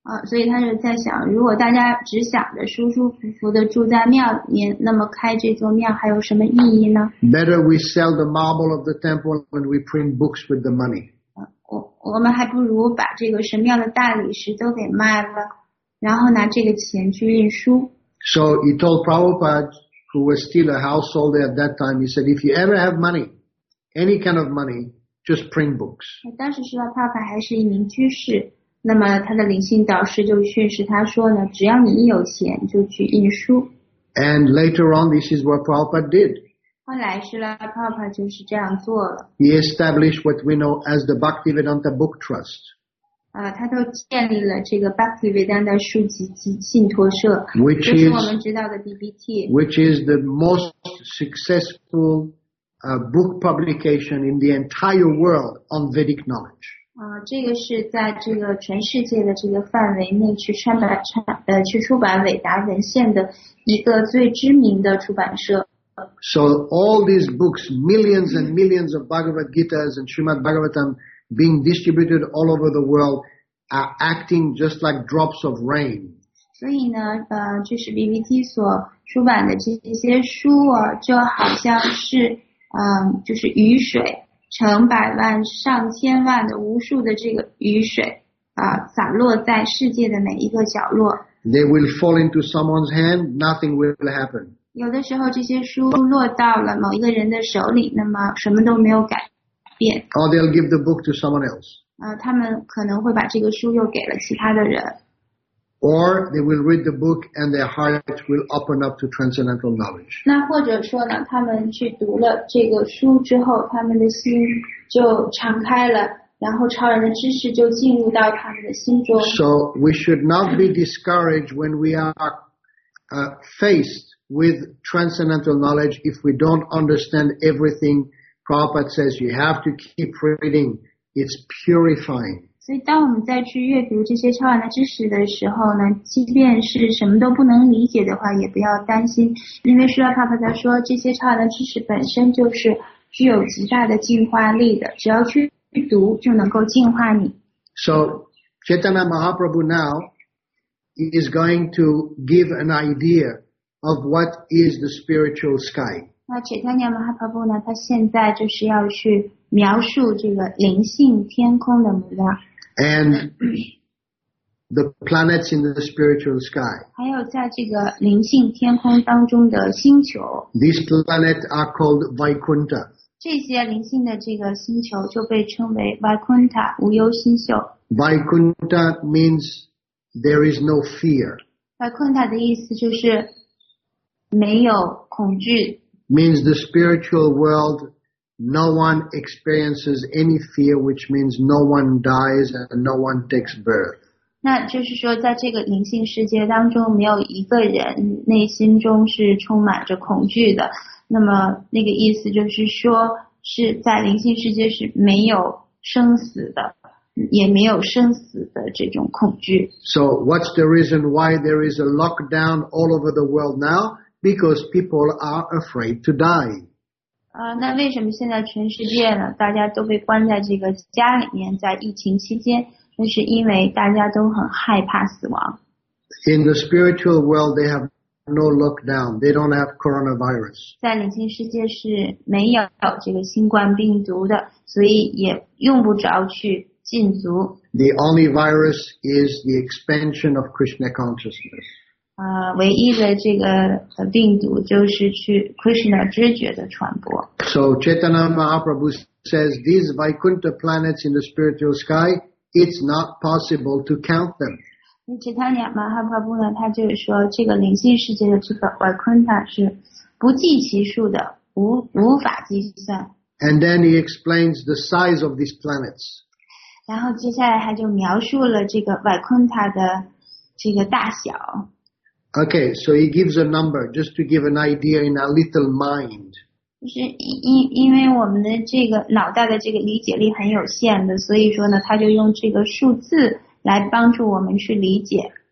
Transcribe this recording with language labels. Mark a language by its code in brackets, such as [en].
[zh] 所以他就在想，如果大家只想着舒舒服服的住在庙里，那么开这座庙还有什么意义呢？ [en] Better we sell the marble of the temple when we print books with the money. [zh] 我们还不如把这个神庙的大理石都给卖了，然后拿这个钱去印书。 [en] So he told Prabhupada, who was still a householder at that time, he said, if you ever have money, any kind of money, just print books. [zh] 当时说到帕帕还是一名居士。那么他的灵性导师就训示他说呢，只要你一有钱就去印书。 [en] And later on, this is what Prabhupada did. [zh] 后来是啦 ，Prabhupada 就是这样做了。 [en] He established what we know as the Bhaktivedanta Book Trust. [zh] 他就建立了这个 Bhaktivedanta 书籍及信托社 [en] ，which is [zh] 我们知道的 BBT. [en] Which is the most successful book publication in the entire world on Vedic knowledge. [zh] 这个是在这个全世界的这个范围内去出版伟达文献的一个最知名的出版社。 [en] So all these books, millions and millions of Bhagavad Gita's and Srimad Bhagavatam being distributed all over the world are acting just like drops of rain. [zh] 所以呢，就是 BBT 所出版的这些书啊，就好像是就是雨水。成百万上千万的无数的这个雨水洒落在世界的每一个角落。 [en] They will fall into someone's hand, nothing will happen. [zh] 有的时候这些书落到了某一个人的手里，那么什么都没有改变。 [en] Or they'll give the book to someone else. [zh] 他们可能会把这个书又给了其他的人。 [en] Or they will read the book and their heart will open up to transcendental knowledge. [zh] 那或者说呢，他们去读了这个书之后，他们的心就敞开了，然后超然的知识就进入到他们的心中。 [en] So we should not be discouraged when we are faced with transcendental knowledge if we don't understand everything. Prabhupada says you have to keep reading. It's purifying. [zh] 所以当我们再去阅读这些超然的知识的时候呢，即便是什么都不能理解的话也不要担心，因为Srila Prabhupada说这些超然的知识本身就是具有极大的净化力的，只要去读就能够净化你。 [en] So Chaitanya Mahaprabhu now is going to give an idea of what is the spiritual sky. [zh] 那 Chaitanya Mahaprabhu 呢，他现在就是要去描述这个灵性天空的模样。 [en] And the planets in the spiritual sky. [zh] 还有在这个灵性天空当中的星球。 [en] These planets are called Vaikuntha. [zh] 这些灵性的这个星球就被称为 Vaikuntha, 无忧星宿。 [en] Vaikuntha means there is no fear. [zh] Vaikuntha 的意思就是没有恐惧。 [en] Means the spiritual world No one experiences any fear, which means no one dies and no one takes birth. [zh] 那就是说在这个灵性世界当中没有一个人内心中是充满着恐惧的。那么那个意思就是说是在灵性世界是没有生死的。也没有生死的这种恐惧。 [en] So what's the reason why there is a lockdown all over the world now? Because people are afraid to die. [zh] 那为什么现在全世界呢？大家都被关在这个家里面，在疫情期间，那是因为大家都很害怕死亡。 [en] In the spiritual world, they have no lockdown. They don't have coronavirus. [zh] 在灵性世界是没有这个新冠病毒的，所以也用不着去。 [en] The only virus is the expansion of Krishna consciousness. [zh] 唯一的这个病毒就是去 Krishna 知觉的传播。 [en] So Chaitanya Mahaprabhu says these Vaikuntha planets in the spiritual sky, it's not possible to count them. [zh] Chaitanya Mahaprabhu 呢，他就是说这个灵性世界的这个 Vaikuntha 是不计其数的，无法计算。 [en] And then he explains the size of these planets. [zh] 然后接下来他就描述了这个外昆塔的这个大小。 [en] Okay, so he gives a number just to give an idea in our little mind. [zh] 就是因为我们的这个脑袋的这个理解力很有限的，所以说呢，他就用这个数字来帮助我们去理解。